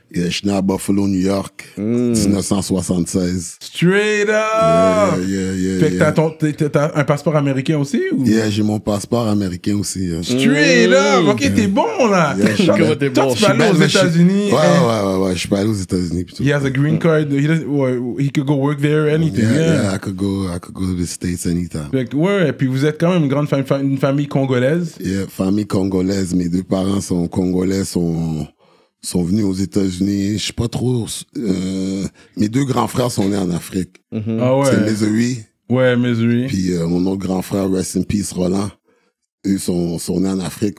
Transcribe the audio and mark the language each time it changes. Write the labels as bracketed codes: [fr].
[fr] Yeah, je suis né à Buffalo, New York, 1976. [en] Straight up! Yeah. [fr] Fait que t'as un passeport américain aussi? Ou? Yeah, j'ai mon passeport américain aussi. [en] Straight up! [fr] OK, t'es bon, là! [en] Yeah, [fr] toi, t'es bon. Toi, tu peux aller aux États-Unis. Ouais, je suis pas allé aux États-Unis. Plutôt. [en] He has a green card. He could go work there, anything. Yeah, I could go to the States anytime. [fr] Fait que, ouais, et puis vous êtes quand même une grande une famille congolaise. Yeah, famille congolaise. Mes deux parents sont congolais, sont venus aux États-Unis, je sais pas trop. Mes deux grands frères sont nés en Afrique. Mm-hmm. Ah ouais. C'est Missouri. Ouais, Missouri. Puis mon autre grand frère, [en] rest in peace, [fr] Roland. Eux sont nés en Afrique.